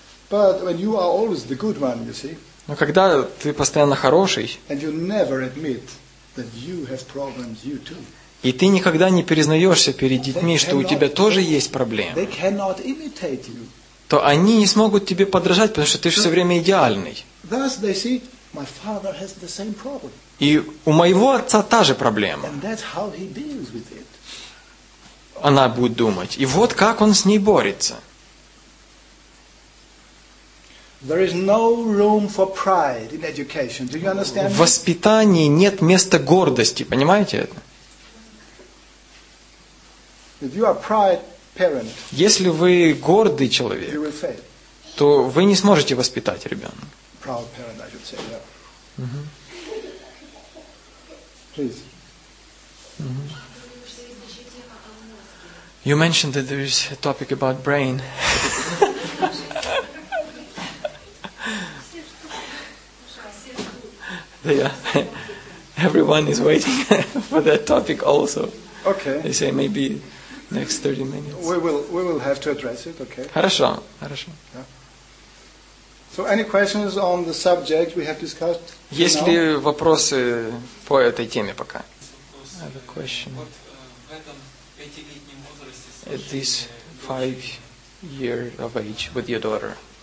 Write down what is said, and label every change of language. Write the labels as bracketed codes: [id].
[en] But when you are always the good one, you see. [ru] Но когда ты постоянно хороший. [en] And you never admit that you have problems, you too. [ru] И ты никогда не признаешься перед детьми, что у тебя тоже есть проблемы. [en] They cannot imitate you. [ru] То они не смогут тебе подражать, потому что ты все время идеальный. [en] Thus they see my father has the same problem. [ru] И у моего отца та же проблема. [en] And that's how he deals with it. [ru] Она будет думать. И вот как он с ней борется. [en] There is no room for pride in education. Do you understand? [ru] В воспитании нет места гордости, понимаете это? [en] If you are pride parent, [ru] если вы гордый человек, то вы не сможете воспитать ребенка. [en] Proud parent, I should say, yeah. Please. You mentioned that there is a topic about brain. Yeah, everyone is waiting for that topic also. Okay. They say maybe next 30 minutes. We will have to address it, okay? [ru] Хорошо, хорошо. [en] So any questions on the subject we have discussed? [ru] Есть ли вопросы по этой теме пока? [en] I have a question. [ru] Вот в этом 5-летнем возрасте. [en] At this 5-year of age with your daughter.